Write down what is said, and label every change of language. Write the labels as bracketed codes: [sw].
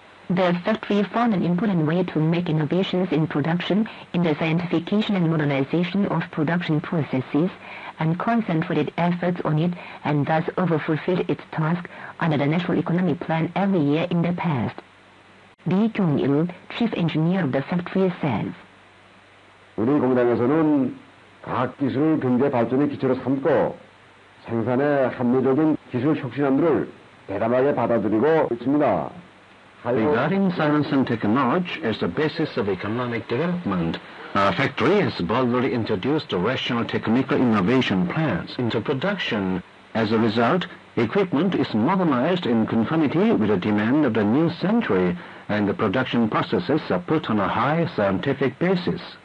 [en] The factory found an important way to make innovations in production in the scientification and modernization of production processes and concentrated efforts on it and thus overfulfilled its task under the National Economic Plan every year in the past. Lee Kyung-il, chief engineer of the factory, says, [ko] 우리 공장에서는 과학 기술 경제 발전의 기초로 삼고 생산의 합리적인 기술 혁신안들을 대담하게 받아들이고 있습니다. [en] Regarding science and technology as the basis of economic development, our factory has boldly introduced rational technical innovation plans into production. As a result, equipment is modernized in conformity with the demand of the new century, and the production processes are put on a high scientific basis.